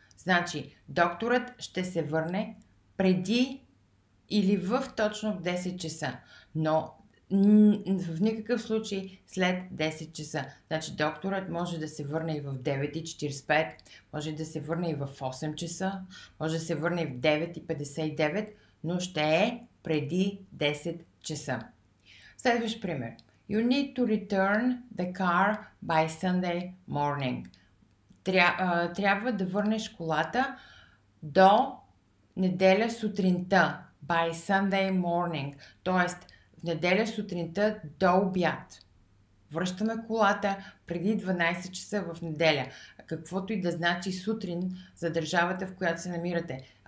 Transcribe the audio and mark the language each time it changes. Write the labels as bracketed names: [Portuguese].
[Bulgarian] Значи, докторът ще се върне преди или в точно в 10 часа, но в никакъв случай след 10 часа. Значи, докторът може да се върне и в 9:45, може да се върне и в 8 часа, може да се върне и в 9:59, но ще е преди 10 часа. Следващ пример. [English] You need to return the car by Sunday morning. [Bulgarian] Трябва да върнеш колата до неделя сутринта, [English] by Sunday morning, [Bulgarian] т.е. в неделя сутринта до обяд. Връщаме колата преди 12 часа в неделя, каквото и да значи сутрин за държавата, в която се намирате.